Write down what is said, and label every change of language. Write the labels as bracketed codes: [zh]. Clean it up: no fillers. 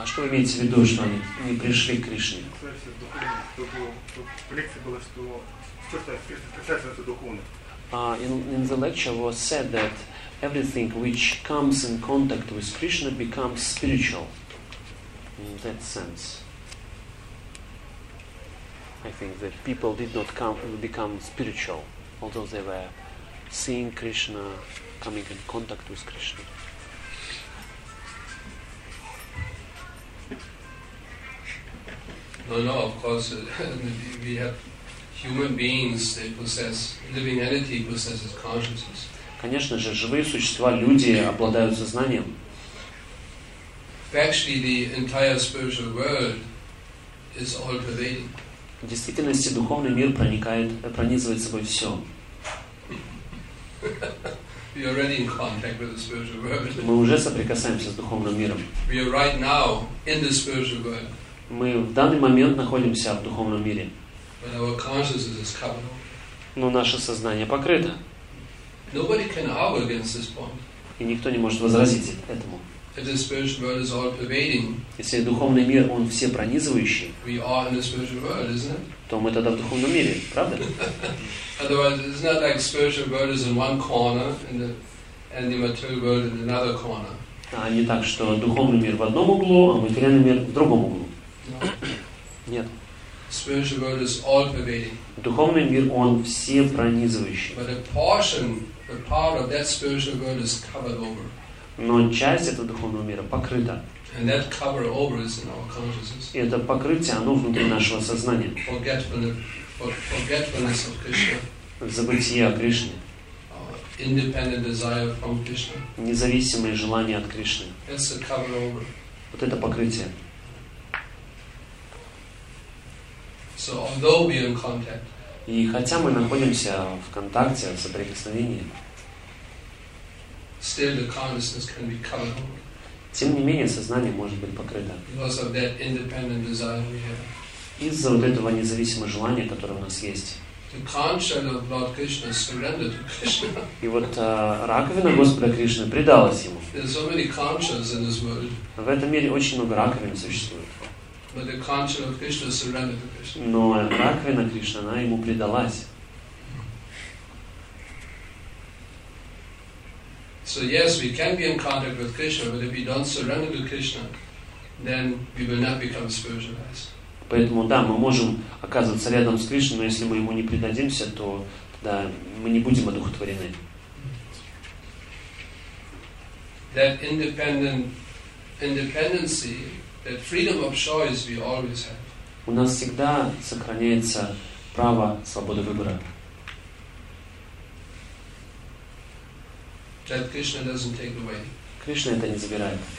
[ru] А что вы имеете в виду, что они не пришли к Кришне? Тут лекция была, что касается духовных. [en] In the lecture was said that everything which comes in contact with Krishna becomes spiritual, in that sense. I think that people did not become spiritual, although they were seeing Krishna, coming in contact with Krishna. No, no, of course, we have human beings, they possess, living entity possesses consciousness. [ru] Конечно же, живые существа, люди, обладают сознанием. [en] Actually, the entire spiritual world is all pervading. [ru] В действительности, духовный мир проникает, пронизывает собой все. [en] We are already in contact with the spiritual world. [ru] Мы уже соприкасаемся с духовным миром. [en] We are right now in the spiritual world. [ru] Мы в данный момент находимся в духовном мире. [en] But our consciousness is covered. [ru] Но наше сознание покрыто. [en] Nobody can argue against this point. [ru] И никто не может возразить этому. [en] If the spiritual world is all pervading, [ru] если духовный мир, он все пронизывающий, [en] we are in the spiritual world, isn't it? [ru] То мы тогда в духовном мире, правда? [en] Otherwise, it's not like spiritual world is in one corner and the material world in another corner. [ru] А не так, что духовный мир в одном углу, а материальный мир в другом углу. Нет. [en] Spiritual world is all pervading. [ru] Духовный мир, он все пронизывающий. [en] But a portion, a part of that spiritual world is covered over. [ru] Но часть этого духовного мира покрыта. [en] And that cover over is in our consciousness. [ru] И это покрытие, оно внутри нашего сознания. [en] Forgetfulness of Krishna. [ru] Забытие о Кришне. [en] Independent desire from Krishna. [ru] Независимые желания от Кришны. [en] That's the cover over. [ru] Вот это покрытие. [en] So although we are in contact. [ru] И хотя мы находимся в контакте, в соприкосновении, [en] still the consciousness can be covered. [ru] Тем не менее, сознание может быть покрыто. [en] Because of that independent desire we have. [ru] Из-за вот этого независимого желания, которое у нас есть. [en] The conch shell of Lord Krishna surrendered to Krishna. [ru] И вот раковина Господа Кришны предалась ему. [en] There are so many conches in this world. [ru] В этом мире очень много раковин существует. [en] But the conch shell of Krishna surrendered to Krishna. [ru] Но раковина Кришны, она ему предалась. [en] So yes, we can be in contact with Krishna, but if we don't surrender to Krishna, then we will not become spiritualized. [ru] Поэтому да, мы можем оказываться рядом с Кришной, но если мы ему не предадимся, то тогда мы не будем одухотворены. [en] That independency, that freedom of choice we always have. [ru] У нас всегда сохраняется право свободы выбора. [en] That Krishna doesn't take away. [ru] Кришна это не забирает.